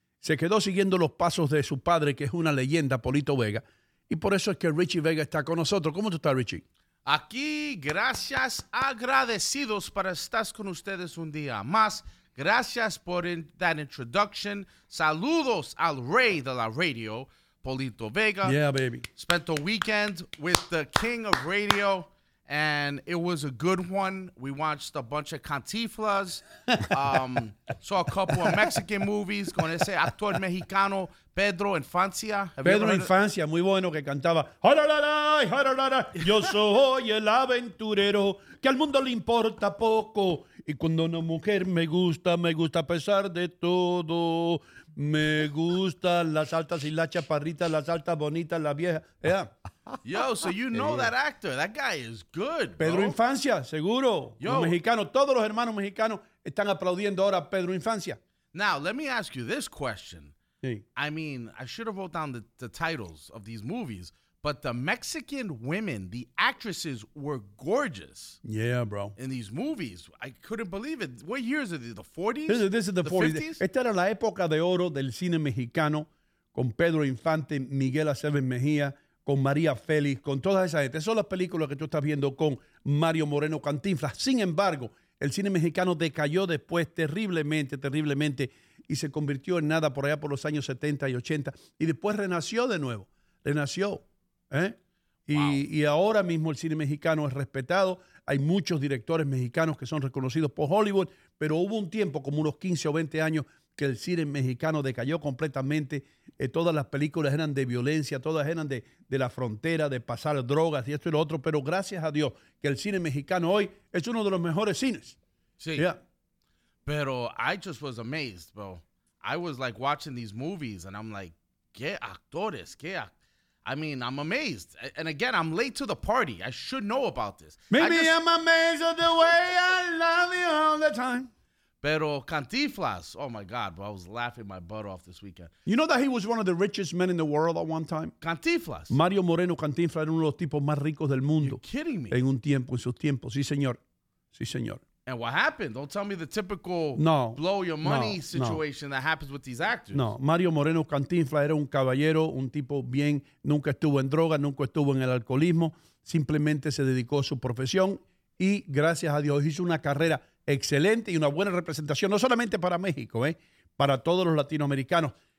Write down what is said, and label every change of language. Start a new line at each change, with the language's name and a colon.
Spanish: Se quedó siguiendo los pasos de su padre, que es una leyenda, Polito Vega. Y por eso es que Richie Vega está con nosotros. ¿Cómo tú estás, Richie? Aquí, gracias, agradecidos para estar con ustedes un día más. Gracias por
English: that introduction.
Spanish: Saludos al rey de la radio, Polito Vega.
English: Yeah, baby. Spent the weekend with the king of radio, and it was a good one. We watched a bunch of Cantiflas, saw a couple of Mexican movies
Spanish: con ese actor mexicano,
English: Pedro Infancia.
Spanish: Pedro Infancia, muy bueno, que cantaba, jaralalay, jaralalay, yo soy el aventurero que al mundo le importa poco. Y cuando una mujer me gusta a pesar de todo. Me gustan las altas y las chaparritas, las altas bonitas, las viejas.
English: Yeah. Yo, so you know that actor. That guy is good, bro.
Spanish: Pedro Infancia, seguro. Yo. Los mexicanos, todos los hermanos mexicanos están aplaudiendo ahora a Pedro Infancia.
English: Now, let me ask you this question.
Spanish: Sí.
English: I mean, I should have wrote down the titles of these movies, but the Mexican women, the actresses, were gorgeous. Yeah, bro. In these movies. I couldn't believe it. What years are these? The 40s? This is the 40s. 50s?
Spanish: Esta era la época de oro del cine mexicano con Pedro Infante, Miguel Aceves Mejía, con María Félix, con toda esa gente. Son las películas que tú estás viendo con Mario Moreno Cantinflas. Sin embargo, el cine mexicano decayó después terriblemente, terriblemente, y se convirtió en nada por allá por los años 70 y 80. Y después renació de nuevo. Renació. ¿Eh? Y ahora mismo el cine mexicano es respetado. Hay muchos directores mexicanos que son reconocidos por Hollywood, pero hubo un tiempo, como unos 15 o 20 años, que el cine mexicano decayó completamente. Todas las películas eran de violencia, todas eran de la frontera, de pasar drogas y esto y lo otro. Pero gracias a Dios que el cine mexicano hoy es uno de los mejores cines. Sí.
English: Yeah.
Spanish: Pero
English: I just was amazed, bro. I was like watching these movies and I'm like,
Spanish: ¿qué actores? ¿Qué actores?
English: I mean, I'm amazed. And again, I'm late to the party. I should know about this. Maybe just, I'm amazed at the way I love you all the time.
Spanish: Pero
English: Cantinflas, oh my God, bro, I was laughing my butt off this weekend. You know that he was one of the richest men in the world at one time? Cantinflas.
Spanish: Mario Moreno Cantinflas era uno de los tipos más ricos del mundo.
English: You're kidding me.
Spanish: En un tiempo, en sus tiempos. Sí, señor. Sí, señor.
English: And what happened? Don't tell me the typical blow your money situation that happens with these actors.
Spanish: No, Mario Moreno Cantinflas era un caballero, un tipo bien, nunca estuvo en droga, nunca estuvo en el alcoholismo, simplemente se dedicó a su profesión y gracias a Dios hizo una carrera excelente y una buena representación, no solamente para México, para todos los latinoamericanos.